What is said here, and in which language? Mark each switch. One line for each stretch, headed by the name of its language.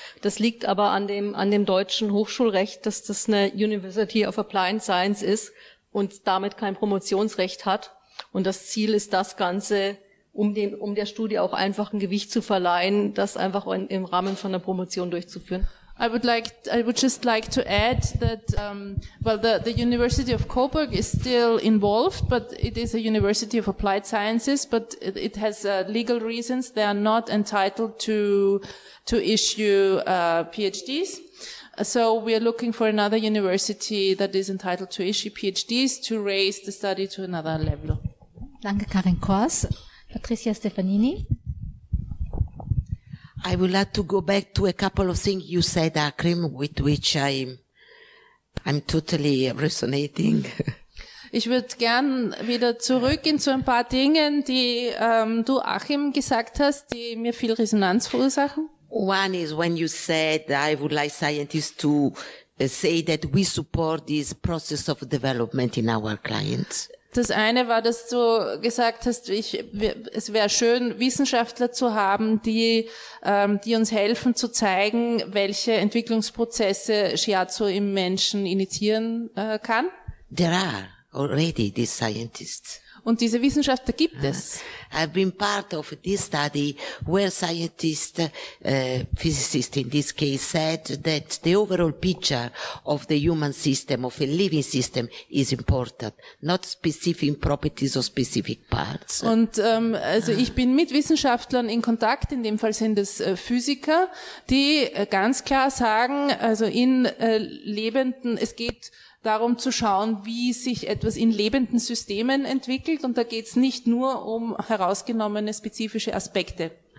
German: Das liegt aber an dem deutschen Hochschulrecht, dass das eine University of Applied Science ist und damit kein Promotionsrecht hat. Und das Ziel ist das Ganze, um der Studie auch einfach ein Gewicht zu verleihen, das einfach im Rahmen von der Promotion durchzuführen.
English: I would just like to add that the University of Coburg is still involved, but it is a University of Applied Sciences, but it has legal reasons. They are not entitled to issue PhDs. So we are looking for another university that is entitled to issue PhDs to raise the study to another level.
German: Danke, Karin Kors. Patricia Stefanini.
English: I would like to go back to a couple of things you said, Akrim, with which I'm totally resonating.
German: Ich würde gern wieder zurückgehen zu ein paar Dingen, die du, Achim, gesagt hast, die mir viel Resonanz verursachen.
English: One is when you said, I would like scientists to say that we support this process of development in our clients.
German: Das eine war, dass du gesagt hast, es wäre schön, Wissenschaftler zu haben, die uns helfen zu zeigen, welche Entwicklungsprozesse Shiatsu im Menschen initiieren kann.
English: There are already these scientists.
German: Und diese Wissenschaftler gibt es.
English: I've been part of this study where scientists, physicists in this case, said that the overall picture of the human system, of a living system, is important, not specific properties or specific parts.
German: Und also ich bin mit Wissenschaftlern in Kontakt, in dem Fall sind es Physiker, die ganz klar sagen, also in Lebenden, es geht darum zu schauen, wie sich etwas in lebenden Systemen entwickelt. Und da geht es nicht nur um herausgenommene spezifische Aspekte.